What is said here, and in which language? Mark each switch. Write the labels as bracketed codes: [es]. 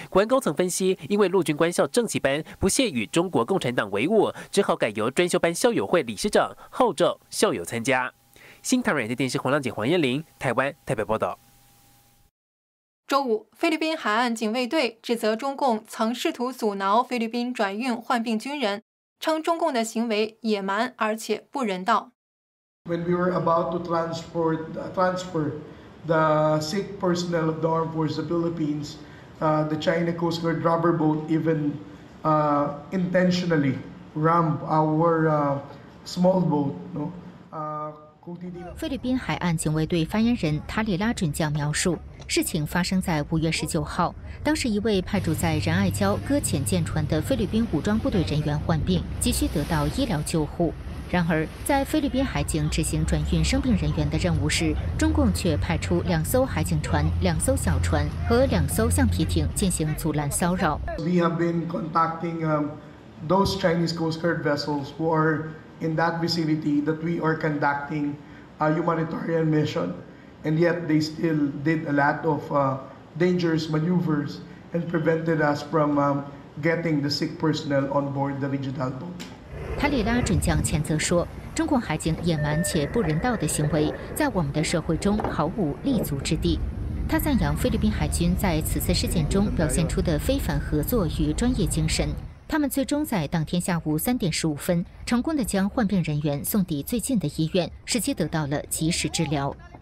[zh] 国安高层分析，因为陆军官校政企班不屑与中国共产党为伍，只好改由专修班校友会理事长号召校友参加。新唐人的电视黄亮锦、黄燕玲，台湾台北报道。周五，菲律宾海岸警卫队指责中共曾试图阻挠菲律宾转运患病军人，称中共的行为野蛮而且不人道。 [en] When we were about to transfer the sick personnel of the Armed Forces of the Philippines, the China Coast Guard rubber boat even intentionally rammed our small boat. No? [zh] 菲律宾海岸警卫队发言人塔里拉准将描述，事情发生在5月19号，当时一位派驻在仁爱礁搁浅舰船的菲律宾武装部队人员患病，急需得到医疗救护。然而，在菲律宾海警执行转运生病人员的任务时，中共却派出两艘海警船、两艘小船和两艘橡皮艇进行阻拦骚扰。 [en] We have been contacting those Chinese Coast Guard vessels who are in that vicinity that we are conducting a humanitarian mission, and yet they still did a lot of dangerous maneuvers and prevented us from getting the sick personnel on board the regional boat. [zh] 塔里拉准将谴责说，中共海警野蛮且不人道的行为在我们的社会中毫无立足之地。他赞扬菲律宾海军在此次事件中表现出的非凡合作与专业精神，他们最终在当天下午3:15成功地将患病人员送抵最近的医院，使其得到了及时治疗。